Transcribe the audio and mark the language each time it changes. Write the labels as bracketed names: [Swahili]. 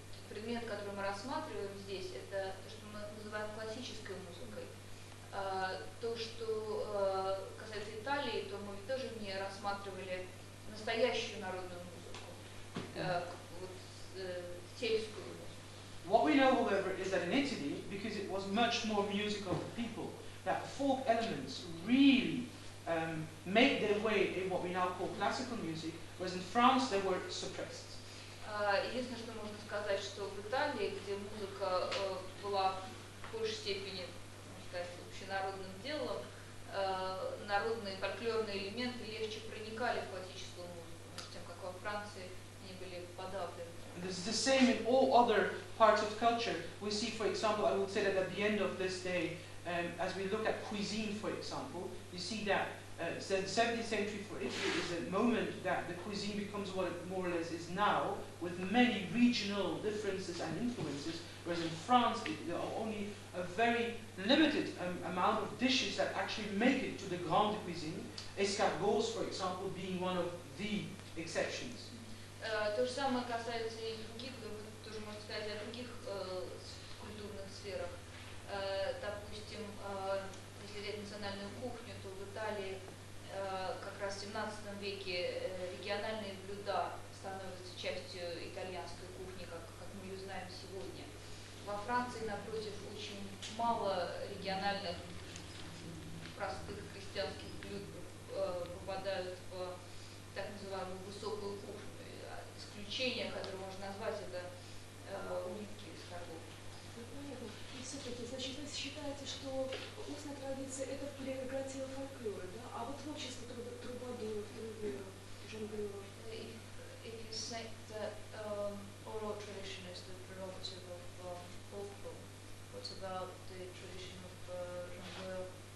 [Russian] Предмет, который мы рассматриваем здесь, это то, что мы называем классической музыкой. То, что касается Италии, то мы тоже не рассматривали настоящую народную музыку, сельскую музыку. [English] What we know, however, is that in Italy, because it was much more music of the people, that folk elements really made their way in what we now call classical music, whereas in France they were suppressed. [Russian] Единственное, что можно сказать, что в Италии, где музыка была в большей степени, можно сказать, общенародным делом, народные фольклорные элементы легче проникали в классическую музыку, тем, как во Франции они были подавлены. [English] And this is the same in all other parts of culture. We see, for example, I would say that at the end of this day, as we look at cuisine, for example, you see that the 17th century for Italy is a moment that the cuisine becomes what it more or less is now, with many regional differences and influences, whereas in France there are only a very limited amount of dishes that actually make it to the grande cuisine, escargots, for example, being one of the exceptions. [Russian] То же самое касается и других, тоже можно сказать о других культурных сферах. Допустим, если взять национальную кухню, то в Италии как раз в 17 веке региональные блюда становятся частью итальянской кухни, как мы ее знаем сегодня. Во Франции, напротив, очень мало региональных простых крестьянских блюд попадают в так называемую высокую кухню. Исключение, которое можно назвать, это улитки из хоргов. Все-таки, значит, вы считаете, что устная традиция – это прерогатива фольклора, да? А вот творчество трубадуров, жонглёров? [English] If you say that oral tradition is the prerogative of folklore, what about the tradition of jongleur?